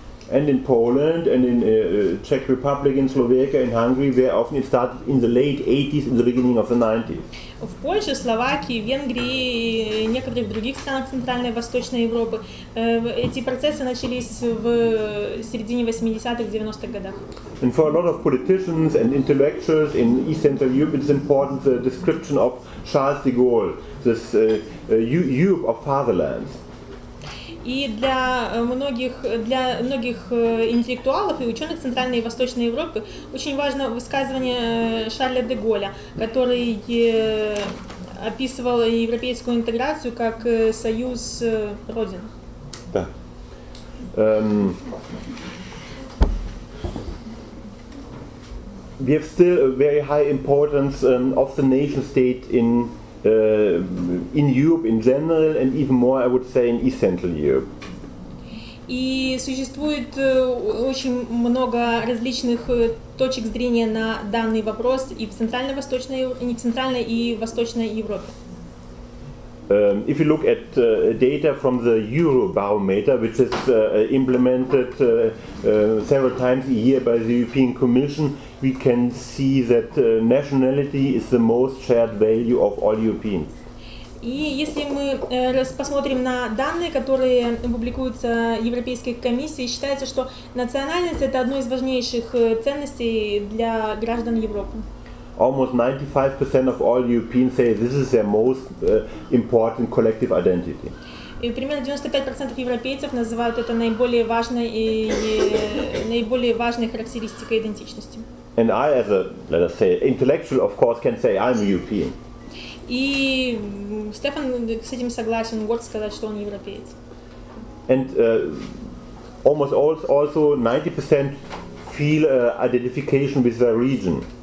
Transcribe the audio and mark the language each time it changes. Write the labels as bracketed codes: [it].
[en] And in Poland, and in Czech Republic, in Slovakia, in Hungary, where often it started in the late 80s, in the beginning of the 90s. [ru] В Польше, Словакии, Венгрии и некоторых других странах Центральной и Восточной Европы эти процессы начались в середине 80-х, 90-х годах. [en] And for a lot of politicians and intellectuals in East Central Europe, it's important the description of Charles de Gaulle, this Europe of fatherlands. [ru] И для многих интеллектуалов и ученых Центральной и Восточной Европы очень важно высказывание Шарля де Голля, который описывал европейскую интеграцию как союз родин. Да. [en] We have still a very high importance of the nation state in Europe in general, and even more, I would say, in East Central Europe. [ru] И существует очень много различных точек зрения на данный вопрос и в центральной и восточной Европе. [en] If you look at data from the Eurobarometer, which is implemented several times a year by the European Commission, we can see that nationality is the most shared value of all Europeans. [ru] И если мы посмотрим на данные, которые публикуются Европейской комиссией, считается, что национальность это одно из важнейших ценностей для граждан Европы. [en] Almost 95% of all Europeans say this is their most important collective identity. [ru] И примерно 95% европейцев называют это наиболее важной характеристикой идентичности. [en] And I, as a, let us say, intellectual, of course, can say I'm European. [ru] И Стефан с этим согласен, может сказать, что он европеец. [en] And almost also 90% feel identification with their region.